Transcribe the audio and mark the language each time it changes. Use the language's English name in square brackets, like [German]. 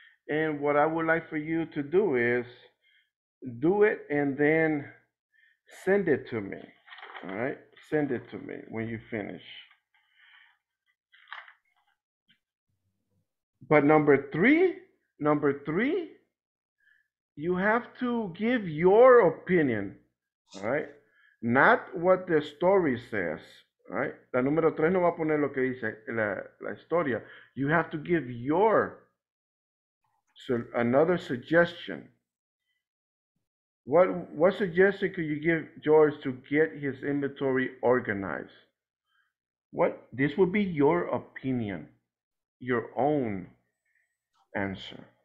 [English] And what I would like for you to do is do it and then send it to me, all right? Send it to me when you finish. But number three, you have to give your opinion, all right? Not what the story says, all right? [Spanish] La número tres no va a poner lo que dice la historia. [English] You have to give your So another suggestion. What suggestion could you give George to get his inventory organized? What this would be your opinion, your own answer.